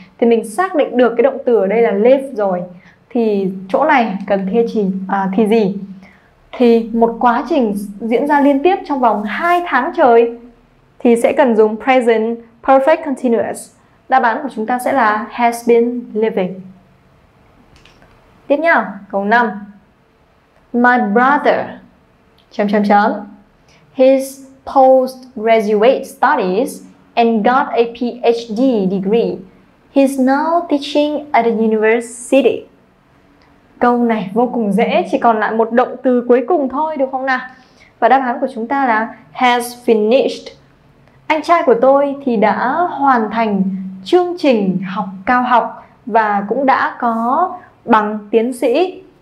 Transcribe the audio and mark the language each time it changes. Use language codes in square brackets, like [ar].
[vi] Thì mình xác định được cái động từ ở đây là live rồi. Thì chỗ này cần thì gì? Thì một quá trình diễn ra liên tiếp trong vòng 2 tháng trời thì sẽ cần dùng [en] present perfect continuous. [vi] Đáp án của chúng ta sẽ là [en] has been living. [vi] Tiếp nhá, câu 5. [en] My brother his postgraduate studies and got a PhD degree. He's now teaching at a university. [vi] Câu này vô cùng dễ, chỉ còn lại một động từ cuối cùng thôi được không nào? Và đáp án của chúng ta là [en] has finished. [vi] Anh trai của tôi thì đã hoàn thành chương trình học cao học và cũng đã có bằng tiến sĩ.